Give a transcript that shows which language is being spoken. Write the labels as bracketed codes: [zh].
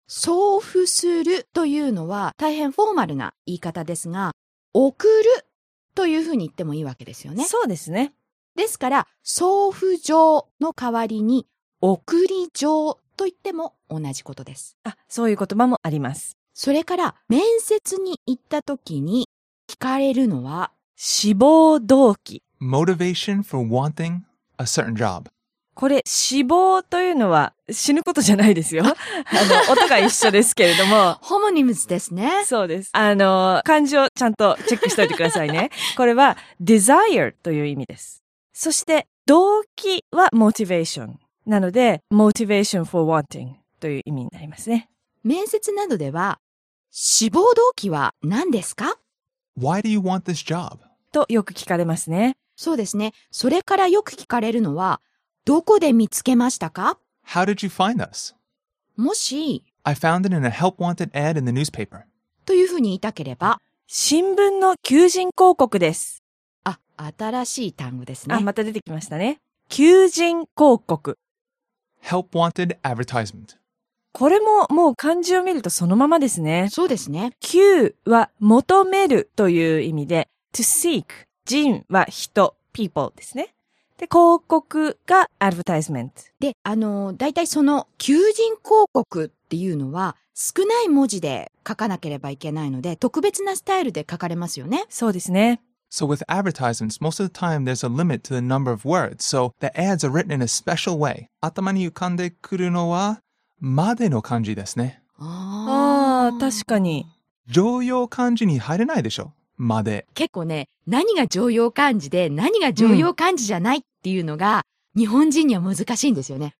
[ja] 送付するというのは大変フォーマルな言い方ですが、送るというふうに言ってもいいわけですよね。そうですね。ですから、送付状の代わりに、送り状と言っても同じことです。あ、そういう言葉もあります。それから、面接に行った時に聞かれるのは、志望動機。 [en] Motivation for wanting a certain job. [ja] これ、志望というのは死ぬことじゃないですよ。音が一緒ですけれども。ホモニムズですね。そうです。漢字をちゃんとチェックしておいてくださいね。これは、desire という意味です。そして、動機は motivation。なので、motivation for wanting という意味になりますね。面接などでは、志望動機は何ですか？ [en] Why do you want this job? [ja] とよく聞かれますね。そうですね。それからよく聞かれるのは、どこで見つけましたか？ [en] How did you find us? [ja] もし、 [en] I found it in a help wanted ad in the newspaper. [ja] というふうに言いたければ、新聞の求人広告です。あ、新しい単語ですね。あ、また出てきましたね。求人広告。 [en] Help wanted advertisement. [ja] これももう漢字を見るとそのままですね。そうですね。求は求めるという意味で、to seek。人は人、people ですね。で、広告が advertisement。で、だいたいその求人広告っていうのは少ない文字で書かなければいけないので、特別なスタイルで書かれますよね。そうですね。 [en] So with advertisements, most of the time there's a limit to the number of words. So the ads are written in a special way. [ja] 頭に浮かんでくるのはまでの漢字ですね。ああ、確かに。常用漢字に入れないでしょ。まで。結構ね、何が常用漢字で何が常用漢字じゃないっていうのが、日本人には難しいんですよね。